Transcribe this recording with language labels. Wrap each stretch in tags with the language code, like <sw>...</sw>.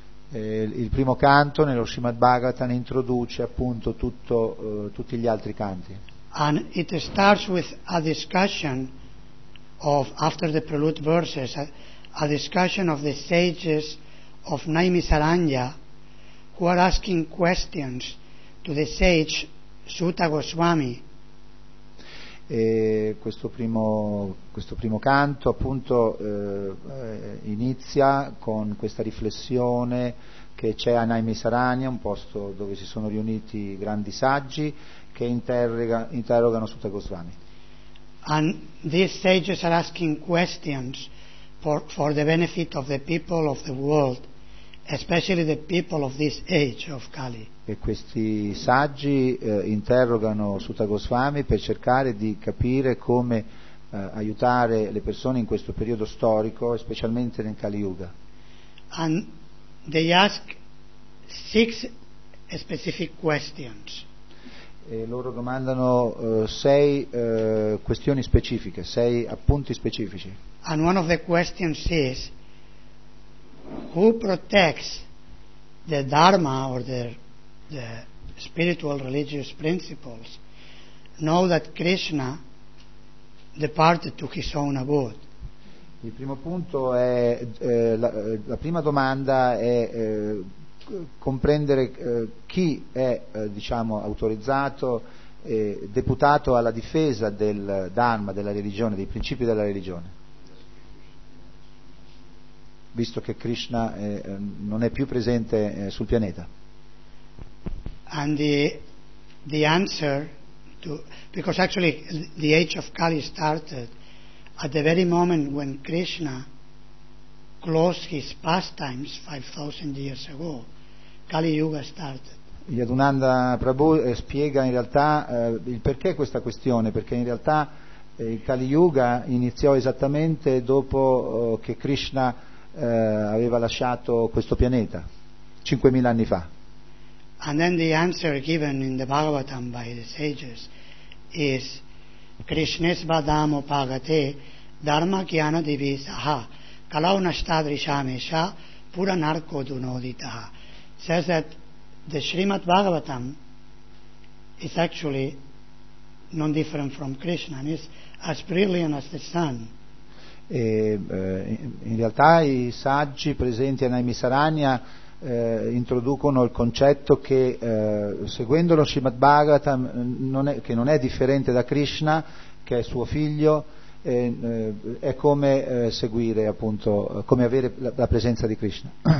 <it>Il primo canto nello Srimad Bhagavatam introduce appunto tutti gli altri canti.</it> <en>And it starts with a discussion of, after the prelude verses, a discussion of the sages of Naimisaranya, who are asking questions to the sage Suta Goswami.</en> <it>E questo primo canto appunto inizia con questa riflessione che c'è a Naimisaranya, un posto dove si sono riuniti grandi saggi, che interrogano Suta Goswami.</it> <en>And these sages are asking questions for the benefit of the people of the world, especially the people of this age of Kali.</en> <it>E questi saggi interrogano Suta Goswami per cercare di capire come aiutare le persone in questo periodo storico, specialmente nel Kali Yuga.</it> <en>And they ask 6 specific questions.</en> <it>E loro domandano 6 questioni specifiche, 6 appunti specifici.</it> <en>And one of the questions is, who protects the Dharma or the spiritual religious principles now that Krishna departed to his own abode?</en> <it>Il primo punto è la prima domanda è comprendere chi è diciamo autorizzato e deputato alla difesa del Dharma, della religione, dei principi della religione, visto che Krishna non è più presente sul pianeta.</it> <en>And the answer to, because actually the age of Kali started at the very moment when Krishna closed his pastimes 5,000 years ago. Kali Yuga started.</en> <it>Yadunanda Prabhu spiega in realtà il perché questa questione, perché in realtà il Kali Yuga iniziò esattamente dopo che Krishna aveva lasciato questo pianeta 5000 anni fa.</it> <en>And then the answer given in the Bhagavatam by the sages is</en> <sa>Krishnes badamo pagate dharma kyana divisaha kalauna stadrishamesha pura narko dunoditaha.</sa> <en>Says that the Srimad Bhagavatam is actually non different from Krishna and is as brilliant as the sun.</en> <it>E in realtà i saggi presenti a Naimisaranya introducono il concetto che seguendo lo Srimad Bhagavatam, che non è differente da Krishna, che è suo figlio, è come seguire appunto, come avere la presenza di Krishna.</it>